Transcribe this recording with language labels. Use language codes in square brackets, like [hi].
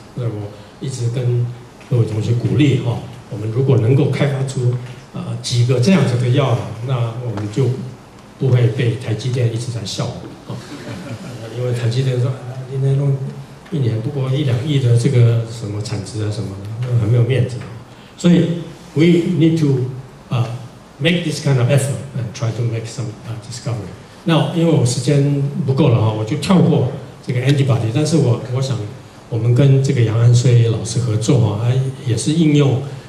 [zh] 那我一直跟各位同学鼓励哈，我们如果能够开发出几个这样子的药，那我们就不会被台积电一直在笑啊，因为台积电说你那弄一年不过一两亿的这个什么产值啊什么的，很没有面子。 [en] 所以 we need to make this kind of effort and try to make some discovery。 [zh] 那因为我时间不够了哈，我就跳过这个 antibody， 但是我想我们跟这个杨安睢老师合作哈，也是应用。